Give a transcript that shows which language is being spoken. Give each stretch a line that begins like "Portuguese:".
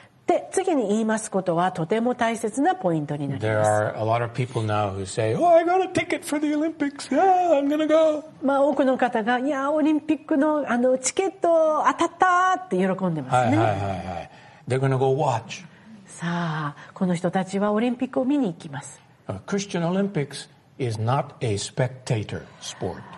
Japanese: で次に言いますことはとても大切なポイントになります。
English: Say, oh, I got a ticket for the Olympics. Yeah, I'm gonna go.
Japanese: まあ多くの方がいやオリンピックのチケット当たったって喜んでますね。
English: はいはいはい、はい、They're gonna go watch.
Japanese: さあこの人たちはオリンピックを見に行きます。
English: Christian Olympics is not a spectator sport.